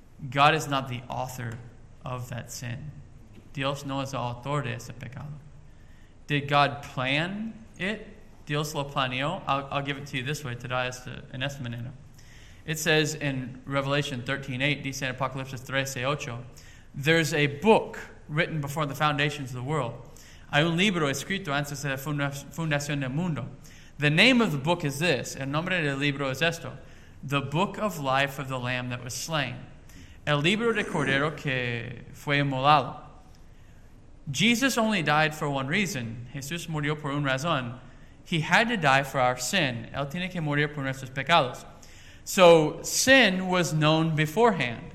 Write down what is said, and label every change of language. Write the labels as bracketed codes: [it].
[en] God is not the author of that sin. [es] Dios no es el autor de ese pecado. [en] Did God plan it? [es] Dios lo planeó. [en] I'll give it to you this way. [es] Te da esto en esta manera. [en] It says in Revelation 13:8, [es] dice en Apocalipsis 13:8, [en] there's a book written before the foundations of the world. [es] Hay un libro escrito antes de la fundación del mundo. [en] The name of the book is this. [es] El nombre del libro es esto. [en] The book of life of the Lamb that was slain. [es] El libro de Cordero que fue inmolado. [en] Jesus only died for one reason. [es] Jesús murió por una razón. [en] He had to die for our sin. [es] Él tiene que morir por nuestros pecados. [en] So sin was known beforehand.